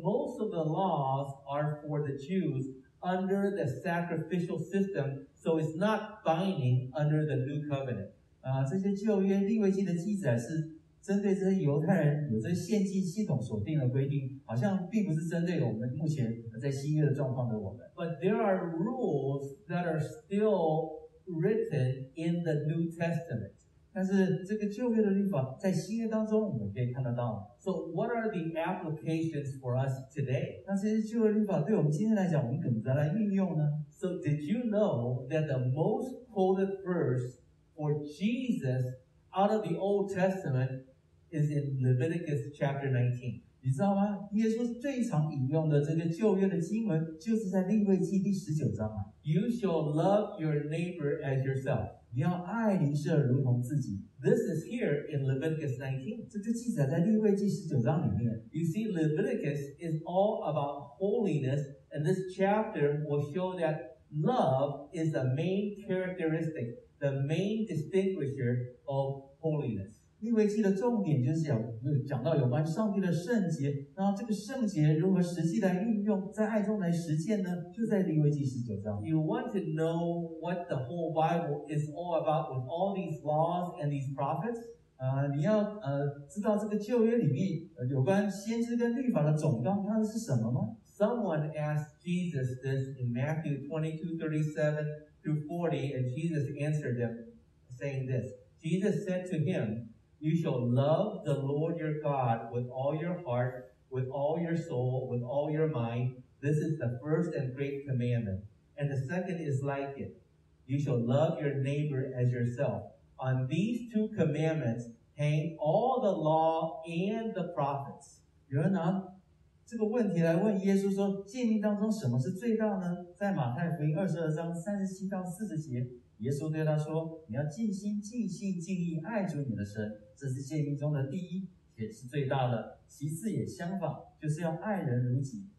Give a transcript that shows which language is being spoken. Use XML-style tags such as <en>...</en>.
<en>most of the laws are for the Jews under the sacrificial system, so it's not binding under the new covenant.</en> <zh>这些旧约利未记的记载是针对这些犹太人有这献祭系统所定的规定，好像并不是针对我们目前在新约的状况的我们。</zh> <en>But there are rules that are still written in the New Testament.</en> <zh>但是这个旧约的律法在新约当中我们可以看得到。</zh> <en>So what are the applications for us today?</en> <zh>那这些旧约律法对我们今天来讲，我们怎么来运用呢？</zh> <en>So did you know that the most quoted verse for Jesus out of the Old Testament is in Leviticus chapter 19?</en> <zh>你知道吗？耶稣最常引用的这个旧约的经文，就是在利未记第十九章啊。</zh> <en>You shall love your neighbor as yourself.</en> <zh>你要爱邻舍如同自己。</zh> <en>This is here in Leviticus 19.</en> <zh>这就记载在利未记十九章里面。</zh> <en>You see, Leviticus is all about holiness, and this chapter will show that love is the main characteristic, the main distinguisher of holiness.</en> <zh>利未记的重点就是 讲到有关上帝的圣洁，然后这个圣洁如何实际来运用，在爱中来实践呢？就在利未记十九章。</zh> <en>You want to know what the whole Bible is all about with all these laws and these prophets?</en> <zh>你要知道这个旧约里面有关先知跟律法的总纲，它是什么吗？</zh> <en>Someone asked Jesus this in Matthew 22:37 through 40, and Jesus answered them, saying this. Jesus said to him. You shall love the Lord your God with all your heart, with all your soul, with all your mind. This is the first and great commandment. And the second is like it. You shall love your neighbor as yourself. On these two commandments hang all the law and the prophets.</en> <zh>有人拿这个问题来问耶稣说，诫命当中什么是最大呢？在马太福音22:37-40，耶稣对他说，你要尽心、尽性、尽意爱主你的神。这是诫命中的第一，也是最大的。其次也相仿，就是要爱人如己。</zh>